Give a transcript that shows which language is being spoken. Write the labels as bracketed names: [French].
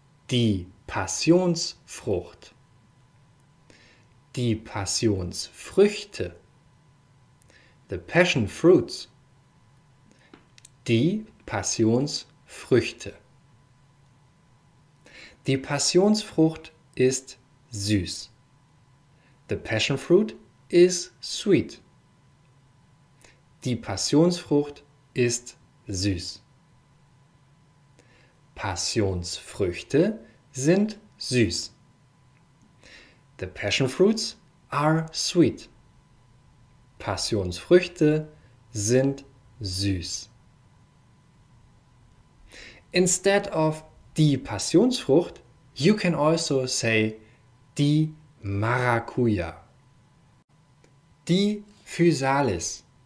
[German] Die Passionsfrucht. Die Passionsfrüchte. [English] The passion fruits. [German] Die Passionsfrüchte. Die Passionsfrucht ist süß. [English] The passion fruit is sweet. [German] Die Passionsfrucht ist süß. Passionsfrüchte sind süß. [English] The passion fruits are sweet. [German] Passionsfrüchte sind süß. [English] Instead of die Passionsfrucht, you can also say die Maracuja. Die Physalis.